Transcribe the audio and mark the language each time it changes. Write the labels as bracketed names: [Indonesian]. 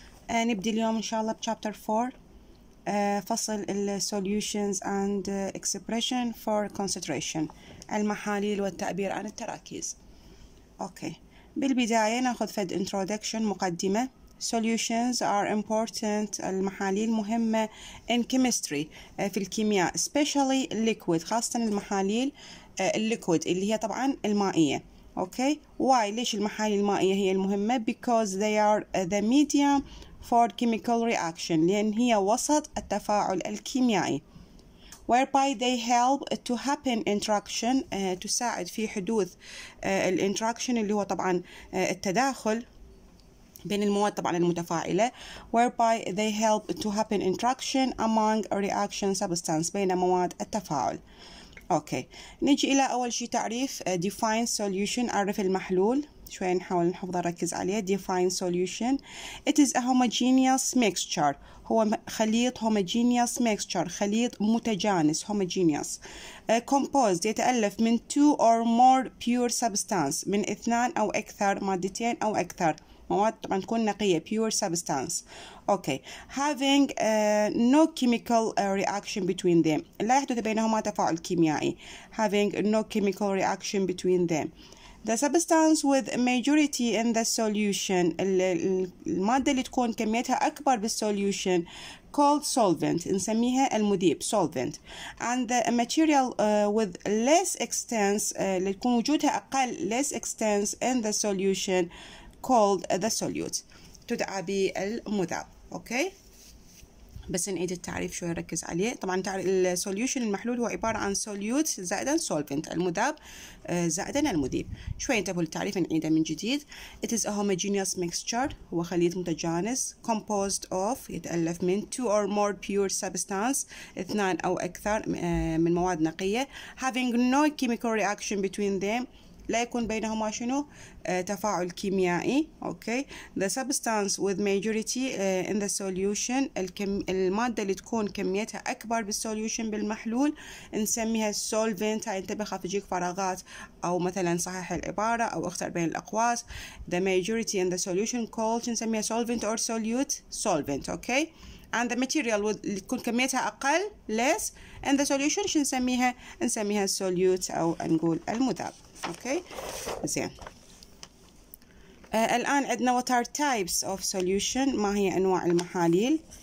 [Arabic] نبدأ اليوم إن شاء الله بشابتر 4، فصل Solutions and Expression for Concentration، المحاليل والتعبير عن التراكيز. أوكي، بالبداية نأخذ فد Introduction، مقدمة. [English] Solutions are important، [Arabic] المحاليل مهمة. [English] In chemistry، [Arabic] في الكيمياء. [English] Especially liquid، [Arabic] خاصة المحاليل الليكويد اللي هي طبعا المائية. اوكي، واي ليش المحاليل المائيه هي المهمه؟ [English] because they are the medium for chemical reaction، [Arabic] لان هي وسط التفاعل الكيميائي. [English] whereby they help to happen interaction، [Arabic] تساعد في حدوث الانتراكشن اللي هو طبعا التداخل بين المواد طبعا المتفاعله. [English] whereby they help to happen interaction among reaction substance، [Arabic] بين مواد التفاعل. اوكي، نجي الى اول شيء تعريف. [English] define solution، [Arabic] اعرف المحلول. شوي نحاول نحفظ نركز عليه. [English] define solution، it is a homogeneous mixture، [Arabic] هو خليط. [English] homogeneous mixture، [Arabic] خليط متجانس. [English] homogeneous composed، [Arabic] يتالف من [English] two or more pure substance، [Arabic] من اثنان او اكثر، مادتين او اكثر، مواد طبعا تكون نقيه. [English] pure substance، okay، having no chemical reaction between them، [Arabic] لا يحدث بينهما تفاعل كيميائي. [English] having no chemical reaction between them، the substance with majority in the solution، [Arabic] المادة اللي تكون كميتها أكبر [English] بالsolution called solvent، [Arabic] نسميها المذيب [English] solvent، and the material with less extents، [Arabic] اللي تكون وجودها أقل [English] less extents in the solution called the solute، [Arabic] تدعى بالمذاب. اوكي، بس نعيد التعريف شوي ركز عليه. طبعا تعريف السوليوشن، المحلول هو عباره عن سوليوت زائدا سولفنت، المذاب زائدا المذيب. شوي انتبهوا للتعريف، نعيده من جديد. [English] it is a homogeneous mixture، [Arabic] هو خليط متجانس. [English] composed of، [Arabic] يتالف من [English] two or more pure substance، [Arabic] اثنان او اكثر من مواد نقيه. [English] having no chemical reaction between them، [Arabic] لا يكون بينهما شنو تفاعل كيميائي. اوكي، [English] the substance with majority in the solution، [Arabic] المادة اللي تكون كميتها اكبر بالsolution بالمحلول نسميها solvent. هاي انتبه، خاف يجيك فراغات، او مثلا صحح العبارة او اختر بين الاقواس. [English] the majority in the solution called، نسميها solvent or solute، solvent. [Arabic] اوكي، [English] and the material with، [Arabic] اللي تكون كميتها اقل [English] less in the solution، [Arabic] شو نسميها؟ نسميها solute، او نقول المذاب. اوكي، زين. الان عندنا [English] what are types of solution، [Arabic] ما هي انواع المحاليل.